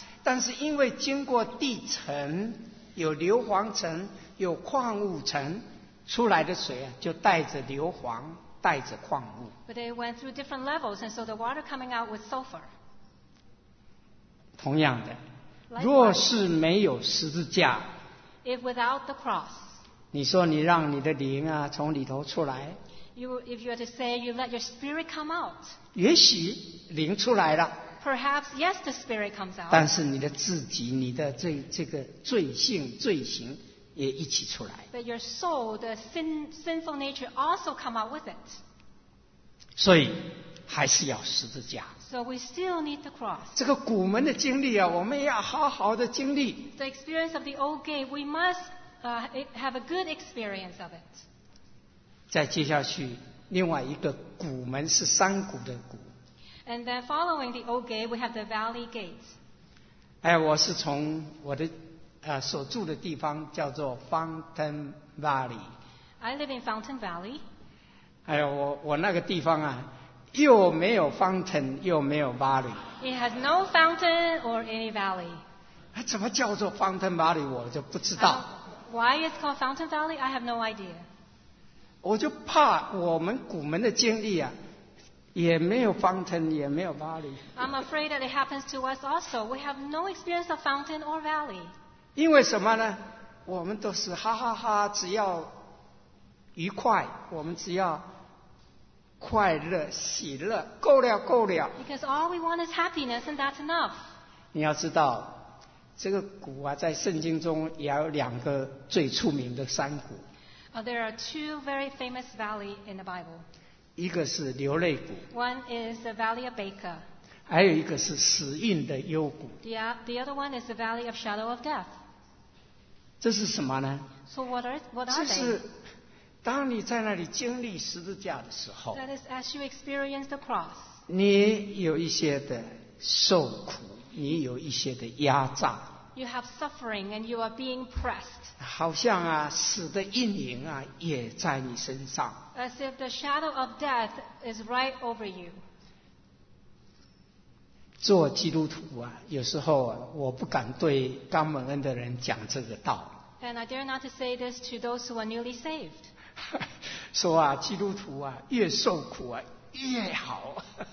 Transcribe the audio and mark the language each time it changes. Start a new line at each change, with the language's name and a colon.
Chinese: 但是因为经过地层，有硫磺层，有矿物层，出来的水啊，就带着硫磺，带着矿物。
English: But they went through different levels, and so the water coming out with sulfur.
Chinese: 同样的，若是没有十字架
English: ，If without the cross.
Chinese: 你说你让你的灵啊从里头出来
English: if you were to say you let your spirit come out,
Chinese: 也许灵出来了
English: perhaps yes the spirit comes out,
Chinese: 但是你的自己你的 这个罪性罪行也一起出来
English: but your soul the sinful nature also come out with it,
Chinese: 所以还是要十字架
English: so we still need the cross,
Chinese: 这个古门的经历啊我们要好好的经历
English: the experience of the old gate we mustHave a good experience of it.
Chinese: 再接下去，另外一个谷门是山谷的谷。
English: And then following the old gate, we have the valley gates.
Chinese: 哎，我是从我的所住的地方叫做 Fountain Valley.
English: I live in Fountain Valley.
Chinese: 哎，我那个地方啊，又没有 fountain， 又没有 valley.
English: It has no fountain or any valley.
Chinese: 怎么叫做 Fountain Valley， 我就不知道。
English: Why it's called Fountain Valley? I have no idea.
Chinese: 我就怕我们古门的经历啊，也没有 fountain， 也没有 valley.
English: I'm afraid that it happens to us also. We have no experience of fountain or valley.
Chinese: 因为什么呢？我们都是哈哈哈，只要愉快，我们只要快乐、喜乐，够了，够了。
English: Because all we want is happiness, and that's enough.
Chinese: 你要知道。这个谷啊，在圣经中也有两个最出名的山谷。
English: There are two very famous valleys in the Bible.
Chinese: 一个是流泪谷。
English: One is the Valley of Baca.
Chinese: 还有一个是死荫的幽谷。
English: The other one is the Valley of Shadow of Death.
Chinese: 这是什么呢
English: ？So what are they?
Chinese: 这是当你在那里经历十字架的时候。
English: That is as you experience the cross.
Chinese: 你有一些的受苦。你有一些的压榨
English: You have suffering and you are being pressed.
Chinese: 好像啊，死的阴影啊，也在你身上。
English: As if the shadow of death is right over you.
Chinese: 做基督徒啊，有时候啊，我不敢对刚蒙恩的人讲这个道。
English: And I dare not to say this to those who are newly saved.
Chinese: 说啊，基督徒啊，越受苦啊，越好。